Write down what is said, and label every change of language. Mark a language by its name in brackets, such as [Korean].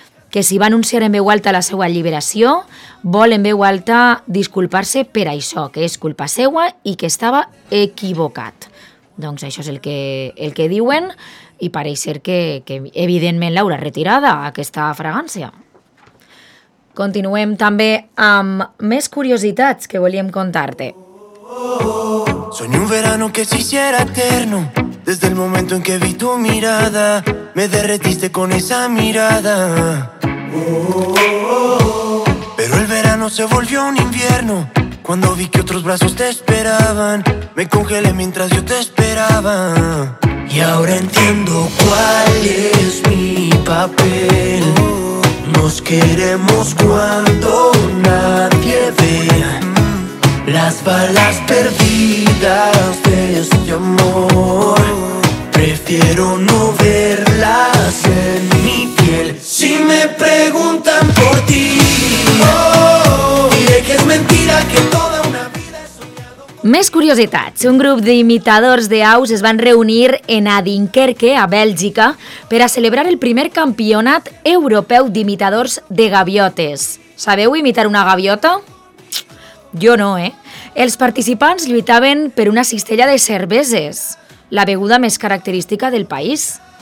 [Catalan] Que si va anunciar en veu alta la seva alliberació, vol en veu alta disculpar-se per això, que és culpa seva i que estava equivocat. Doncs això és el que diuen i pareix ser que evidentment l'haurà retirada aquesta fragància. Continuem també amb més curiositats que volíem contar-te. [Spanish] Soñé un verano que se hiciera eterno. Desde el momento en que vi tu mirada, me derretiste con esa mirada. Pero el verano se volvió un invierno. Cuando vi que otros brazos te esperaban, me congelé mientras yo te esperaba. Y ahora entiendo cuál es mi papel. Nos queremos cuando nadie ve. Las balas perdidas de este amor, prefiero no verlas en mi piel. Si me preguntan por ti, diré que es mentira, que toda una vida he soñado. [Catalan] Més curiositats. Un grup d'imitadors d'aus es van reunir en Adinkerque, a Bèlgica, per a celebrar el primer campionat europeu d'imitadors de gaviotes. Sabeu imitar una gaviota? Jo no, eh? Els participants lluitaven per una cistella de cerveses, la beguda més característica del país.